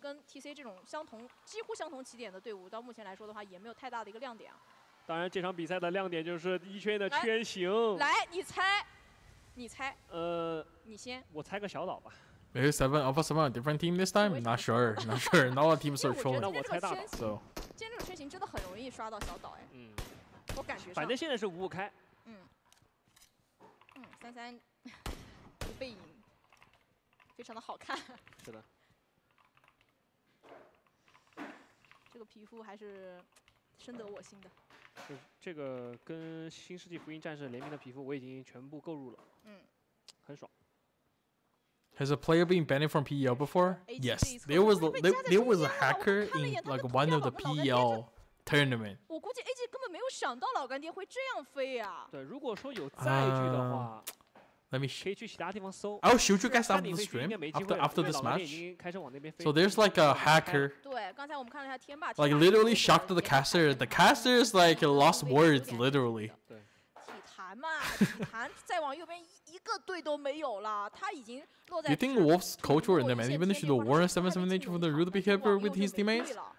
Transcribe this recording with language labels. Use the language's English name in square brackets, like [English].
[English] Or is he thinking that this side is not good to fight? Actually, old guy, as with TC, this almost the same team, until now, there is not a great difference. [Chinese] 当然，这场比赛的亮点就是一圈的圈形。来，你猜，你猜。你先。我猜个小岛吧。 [English] Maybe seven, Alpha seven, different team this time. Not sure, not sure. Not all teams are trolling. [Chinese] 那我猜大岛。今天这种圈形真的很容易刷到小岛哎。嗯。我感觉。反正现在是五五开。嗯。嗯，三三，不背影，非常的好看。是的。这个皮肤还是深得我心的。这个跟新世纪福音战士联名的皮肤我已经全部购入了，嗯，很爽。 [English] Has a player been banned from PEL before? Yes, there was a hacker in like one of the PEL tournament. [Chinese] 我估计 AG 根本没有想到老干爹会这样飞呀。对，如果说有载具的话，可以去其他地方搜。 [English] I'll shoot you guys after the stream. After this match, so there's like a hacker. Like literally shocked the caster. The caster is like lost words, literally. [Chinese] 体坛嘛，体坛再往右边一个队都没有了。他已经落在。 [English] Do you think Wolf's coach or them and even should warn 77H for the rude behavior with his teammates?